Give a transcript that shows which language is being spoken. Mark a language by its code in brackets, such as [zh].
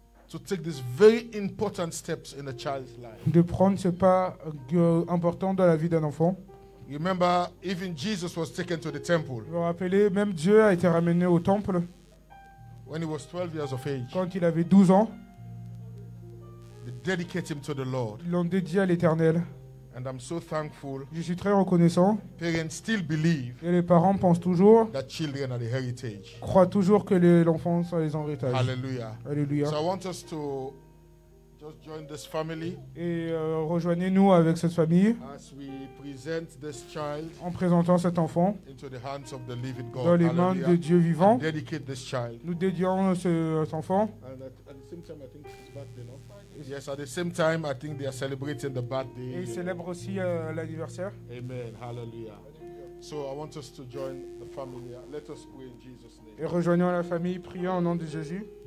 [en] To take these very important steps in a child's life. [fr] De prendre ce pas important dans la vie d'un enfant. [en] Remember, even Jesus was taken to the temple. [fr] Vous rappelez, même Dieu a été ramené au temple. [en] When he was 12 years of age. [fr] Quand il avait 12 ans. [en] Dedicate him to the Lord. [fr] L'ont dédié à l'Éternel. [en] And I'm so thankful. [fr] Je suis très reconnaissant. [en] Parents still believe. [fr] Et les parents pensent toujours. [en] That children are the heritage. [fr] Croient toujours que l'enfant sont les héritages. Hallelujah. Hallelujah. [en] So I want us to just join this family. [fr] Et rejoignez-nous avec cette famille. [en] As we present this child. [fr] En présentant cet enfant. [en] Into the hands of the living God. [fr] Dans les mains de Dieu vivant. [en] And dedicate this child. [fr] Nous dédions cet enfant. [en] And at the same time, I think it's bad, you know. Yes, at the same time, I think they are celebrating the birthday. [fr] Et ils célèbrent aussi l'anniversaire. [en] Amen. Hallelujah. So I want us to join the family. Let us pray in Jesus' name. [fr] Et rejoignons la famille, prions au nom de Jésus.